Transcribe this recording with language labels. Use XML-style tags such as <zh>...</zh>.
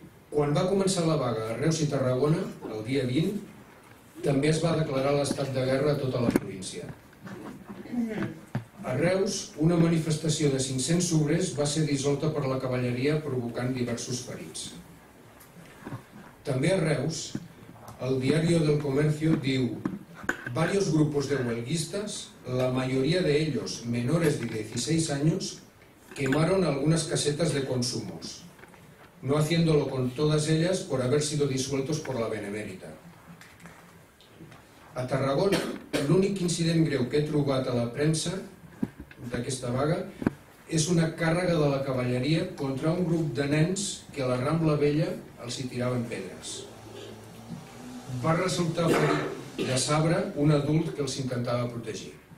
<ca>Quan va començar la vaga a Reus i Tarragona, el dia 20, també es va declarar l'estat de guerra a tota la província. A Reus, una manifestació de 500 obrers va ser dissolta per la cavalleria provocant diversos ferits. També a Reus, el Diario del Comercio diu:</ca> <es>"Varios grupos de huelguistas, la mayoría de ellos menores de 16 años, quemaron algunas casetas de consumos, no haciéndolo con todas ellas por haber sido disueltos por la Benemérita".</es> <ca>A Tarragona, l'únic incident greu que he trobat a la premsa d'aquesta vaga és una càrrega de la cavalleria contra un grup de nens que a la Rambla Vella els hi tiraven pedres. Va resultar ferit de sabre un adult que els intentava protegir.</ca>